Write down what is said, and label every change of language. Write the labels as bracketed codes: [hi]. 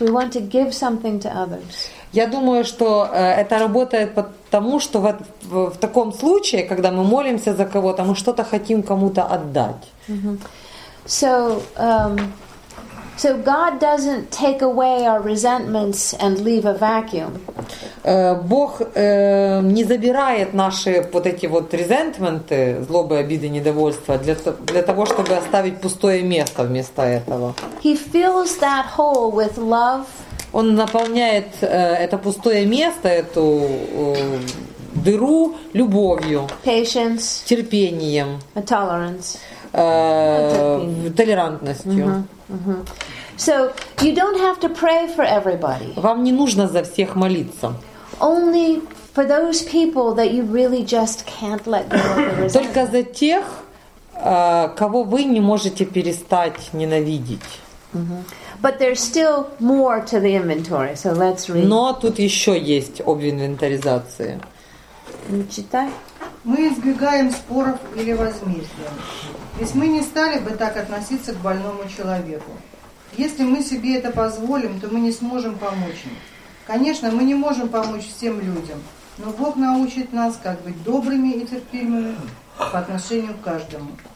[en] We want to give something to others. [ru] Я думаю, что это работает потому, что в таком случае, когда мы молимся за кого-то, мы что-то хотим кому-то отдать. Mm-hmm. [en] So God doesn't take away our resentments and leave a vacuum. [ru] Бог не забирает наши вот эти вот резентменты, злобы, обиды, недовольства для того, чтобы оставить пустое место вместо этого. [en] He fills that hole with love. [ru] Он наполняет это пустое место, эту дыру любовью, [en] patience, [ru] терпением, [en] a tolerance, [ru] толерантностью. [en] So you don't have to pray for everybody. [ru] Вам не нужно за всех молиться. [en] Only for those people that you really just can't let go of. [ru] Только за тех, кого вы не можете перестать ненавидеть. [en] But there's still more to the inventory, so let's read. [ru] Но тут еще есть об инвентаризации. Не читай. Мы избегаем споров или возмездия, ведь мы не стали бы так относиться к больному человеку. Если мы себе это позволим, то мы не сможем помочь им. Конечно, мы не можем помочь всем людям, но Бог научит нас, как быть добрыми и терпимыми по отношению к каждому.